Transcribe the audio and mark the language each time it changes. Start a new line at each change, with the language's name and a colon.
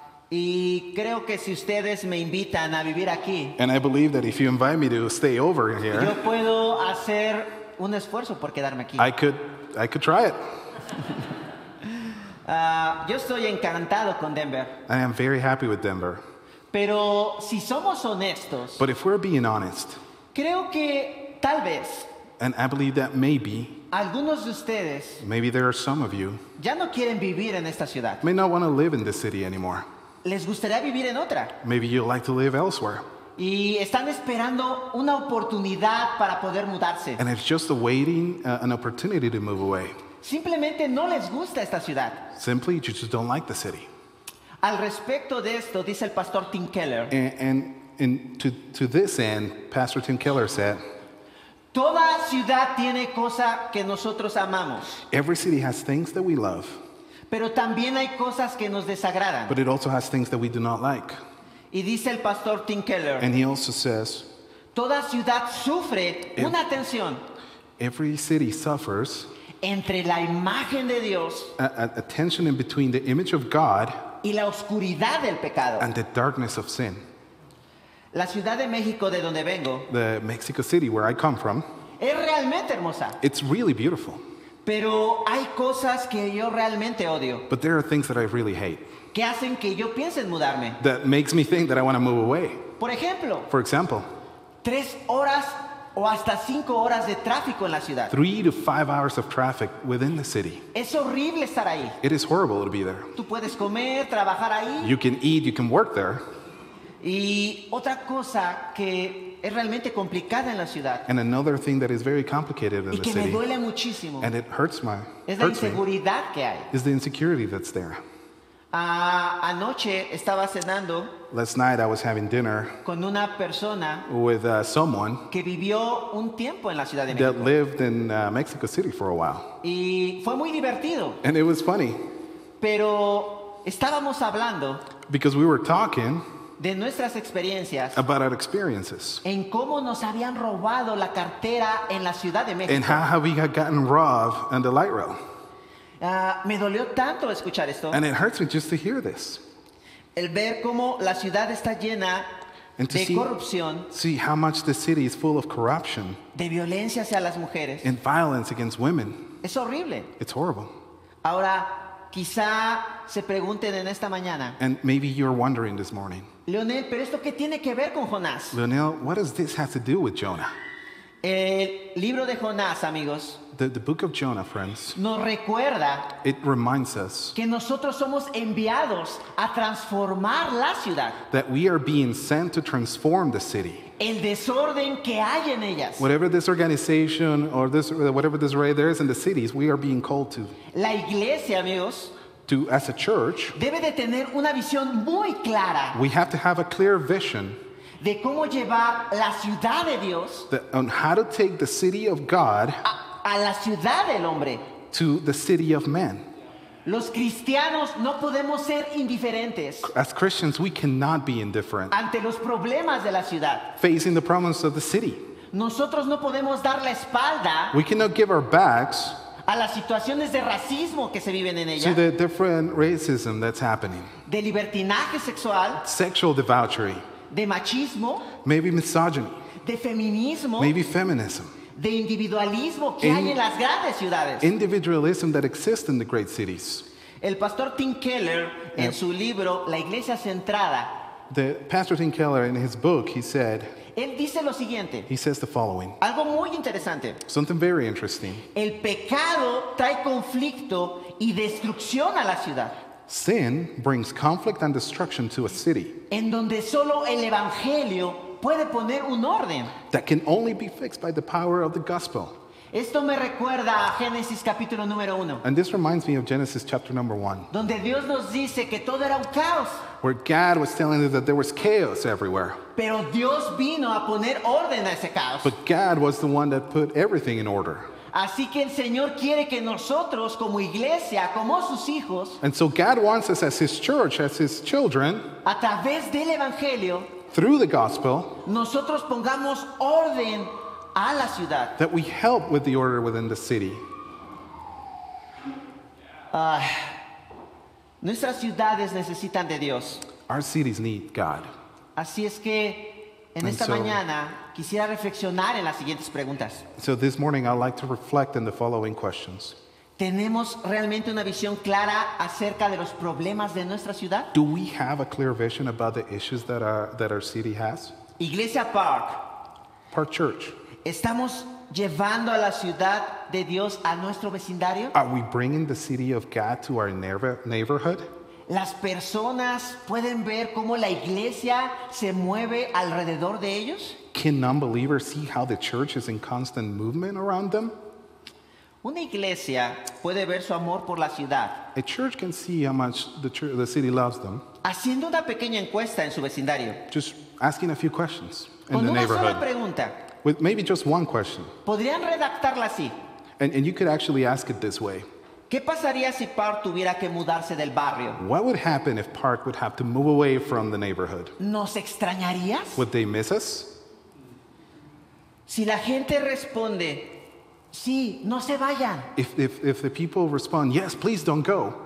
Spanish: Y creo que si ustedes me invitan a vivir aquí,
English: and I believe that if you invite me to stay over here,
Spanish: yo puedo hacer un esfuerzo por quedarme aquí.
English: I could try it.
Spanish: Yo estoy encantado con Denver.
English: I am very happy with Denver.
Spanish: Pero si somos honestos,
English: but if we're being honest,
Spanish: creo que tal vez,
English: and I believe that maybe,
Spanish: algunos de ustedes,
English: maybe there are some of you,
Spanish: ya no quieren vivir en esta ciudad.
English: May not want to live in this city anymore.
Spanish: Les gustaría vivir en otra.
English: Maybe you'd like to live elsewhere.
Spanish: Y están esperando una oportunidad para poder mudarse.
English: And it's just awaiting an opportunity to move away.
Spanish: Simplemente no les gusta esta ciudad.
English: Simply, you just don't like the city.
Spanish: Al respecto de esto, dice el pastor Tim Keller.
English: And to this end, Pastor Tim Keller said,
Spanish: toda ciudad tiene cosas que nosotros amamos.
English: Every city has things that we love.
Spanish: Pero también hay cosas que nos desagradan.
English: But it also has things that we do not like.
Spanish: Y dice el pastor Tim Keller.
English: And he also says,
Spanish: toda ciudad sufre una tensión.
English: Every city suffers.
Spanish: Entre la imagen de Dios.
English: A tension in between the image of God.
Spanish: Y la oscuridad del pecado.
English: And the darkness of sin.
Spanish: La ciudad de México de donde vengo.
English: The Mexico City where I come from.
Spanish: Es realmente hermosa.
English: It's really beautiful.
Spanish: Pero hay cosas que yo realmente odio.
English: But there are things that I really hate.
Spanish: Que hacen que yo piense en mudarme.
English: That makes me think that I want to move away.
Spanish: Por ejemplo.
English: For example.
Spanish: 3 horas o hasta 5 horas de tráfico en la ciudad.
English: 3 to 5 hours of traffic within the city.
Spanish: Es horrible estar ahí.
English: It is horrible to be there.
Spanish: Tú puedes comer, trabajar ahí.
English: You can eat, you can work there.
Spanish: Y otra cosa que es realmente complicada en la ciudad.
English: And another thing that is very complicated in the city.
Spanish: Y que me duele muchísimo.
English: And it hurts my.
Spanish: Es la inseguridad que hay.
English: Is the insecurity that's there.
Spanish: Anoche estaba cenando.
English: Last night I was having dinner
Spanish: con una persona
English: with someone
Spanish: que vivió un tiempo en la ciudad de México.
English: That lived in Mexico City for a while.
Spanish: Y fue muy divertido.
English: And it was funny.
Spanish: Pero estábamos hablando.
English: Because we were talking
Spanish: de nuestras experiencias.
English: About our experiences.
Spanish: En cómo nos habían robado la cartera en la ciudad de México.
English: And how we had gotten robbed on the light rail.
Spanish: Me dolió tanto escuchar esto.
English: And it hurts me just to hear this.
Spanish: El ver cómo la ciudad está llena de corrupción.
English: See how much the city is full of corruption.
Spanish: De violencia hacia las mujeres.
English: And violence against women.
Spanish: Es horrible.
English: It's horrible.
Spanish: Ahora, quizá se pregunten en esta mañana.
English: And maybe you're wondering this morning.
Spanish: Leonel, ¿pero esto qué tiene que ver con Jonás?
English: Leonel, what does this have to do with Jonah?
Spanish: El libro de Jonás, amigos.
English: The book of Jonah, friends.
Spanish: Nos recuerda.
English: It reminds us.
Spanish: Que nosotros somos enviados a transformar la ciudad.
English: That we are being sent to transform the city.
Spanish: El desorden que hay en ellas.
English: Whatever disorganization or this, whatever disarray there is in the cities, we are being called to.
Spanish: La iglesia, amigos.
English: To, as a church.
Spanish: Debe de tener una visión muy clara.
English: We have to have a clear vision.
Spanish: De cómo llevar la ciudad de Dios.
English: On how to take the city of God.
Spanish: A la ciudad del hombre.
English: To the city of man.
Spanish: Los cristianos no podemos ser indiferentes.
English: As Christians, we cannot be indifferent.
Spanish: Ante los problemas de la ciudad.
English: Facing the problems of the city.
Spanish: Nosotros no podemos dar la espalda.
English: We cannot give our backs.
Spanish: A las situaciones de racismo que se viven en ella.
English: To the different racism that's happening.
Spanish: De libertinaje sexual.
English: Sexual debauchery.
Spanish: De machismo.
English: Maybe misogyny.
Spanish: De feminismo.
English: Maybe feminism.
Spanish: De individualismo que hay en las grandes ciudades.
English: Individualism that exists in the great cities.
Spanish: El pastor Tim Keller en su libro La Iglesia Centrada.
English: The pastor Tim Keller in his book he said.
Spanish: Él dice lo siguiente.
English: He says the following.
Spanish: Algo muy interesante.
English: Something very interesting.
Spanish: El pecado trae conflicto y destrucción a la ciudad.
English: Sin brings conflict and destruction to a city.
Spanish: En donde solo el evangelio puede poner un orden.
English: That can only be fixed by the power of the gospel.
Spanish: Esto me recuerda a Génesis capítulo número 1.
English: And this reminds me of Genesis chapter number 1.
Spanish: Donde Dios nos dice que todo era un caos.
English: Where God was telling us that there was chaos everywhere.
Spanish: Pero Dios vino a poner orden a ese caos.
English: But God was the one that put everything in order.
Spanish: Así que el Señor quiere que nosotros como iglesia, como sus hijos,
English: and so God wants us as his church, as his children,
Spanish: a través del evangelio,
English: through the gospel,
Spanish: nosotros pongamos orden a la ciudad.
English: That we help with the order within the city.
Spanish: Nuestras ciudades necesitan de Dios.
English: Our cities need God.
Spanish: Así es que en esta mañana quisiera reflexionar en las siguientes preguntas.
English: So this morning I'd like to reflect in the following questions.
Spanish: ¿Tenemos realmente una visión clara acerca de los problemas de nuestra ciudad?
English: Do we have a clear vision about the issues that our city has?
Spanish: Iglesia Park.
English: Park Church.
Spanish: ¿Estamos llevando a la ciudad de Dios a nuestro vecindario?
English: Are we bringing the city of God to our neighborhood?
Spanish: ¿Las personas pueden ver cómo la iglesia se mueve alrededor de ellos?
English: Can non-believers see how the church is in constant movement around them?
Spanish: Una iglesia puede ver su amor por la ciudad.
English: A church can see how much the city loves them.
Spanish: Haciendo una pequeña encuesta en su vecindario.
English: Just asking a few questions in
Spanish: con
English: the
Spanish: una
English: neighborhood.
Spanish: Sola pregunta.
English: With maybe just one question.
Spanish: ¿Podrían redactarla así?
English: And you could actually ask it this way.
Spanish: ¿Qué pasaría si Park tuviera que mudarse del barrio?
English: What would happen if Park would have to move away from the neighborhood?
Spanish: ¿Nos extrañarías?
English: Would they miss us?
Spanish: Si la gente responde, sí, no se vayan.
English: If the people respond, yes, please don't go.